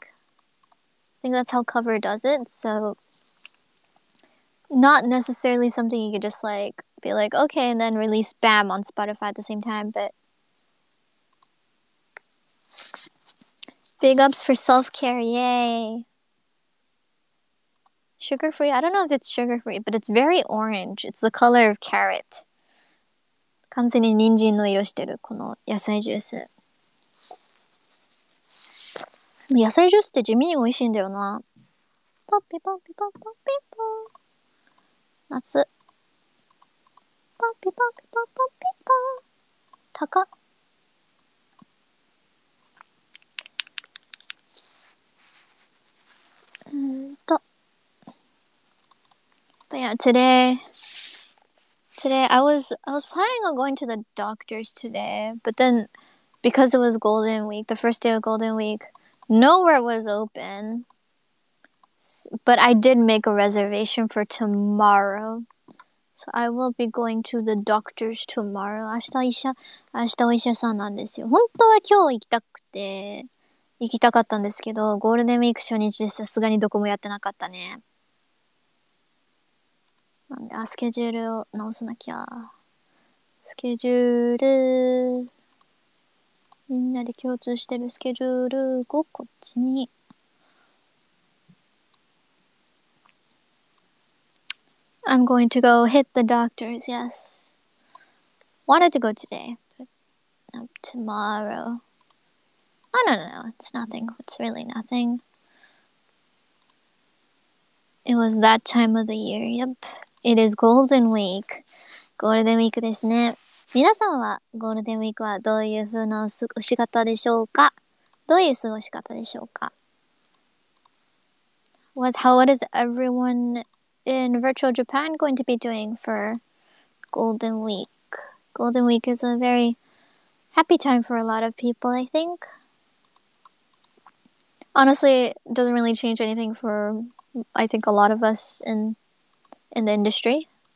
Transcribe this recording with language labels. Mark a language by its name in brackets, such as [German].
[English] I think that's how Cover does it. So, not necessarily something you could just, like, be like, okay, and then release, bam, on Spotify at the same time, but... Big ups for self-care, yay! Sugar-free? I don't know if it's sugar-free, but it's very orange. It's the color of carrot. [Japanese] 完全に人参の色してる、この野菜ジュース。野菜ジュースって地味に美味しいんだよな。ポッピポッピポッポッピポン。夏。ポッピポッピポッポッピポン。高っ。 [English] But yeah, today I was planning on going to the doctor's today, but then because it was Golden Week, the first day of Golden Week, nowhere was open. But I did make a reservation for tomorrow. So I will be going to the doctor's tomorrow. [Japanese] 明日お医者さんなんですよ。本当は今日行きたくて。行きたかったんですけど、ゴールデンウィーク初日でさすがにどこもやってなかったね。なんで、スケジュールを直さなきゃ。スケジュール。みんなで共通してるスケジュールをこっちに。 [English] I'm going to go hit the doctors, yes. Wanted to go today, but not tomorrow. Oh, no, no, no, it's nothing. It's really nothing. It was that time of the year, yep. It is Golden Week. [Japanese] ゴールデンウィークですね。皆さんはゴールデンウィークはどういう風な過ごし方でしょうか？どういう過ごし方でしょうか？ [English] What is everyone in virtual Japan going to be doing for Golden Week? Golden Week is a very happy time for a lot of people, I think. Honestly, it doesn't really change anything for, I think, a lot of us in the industry.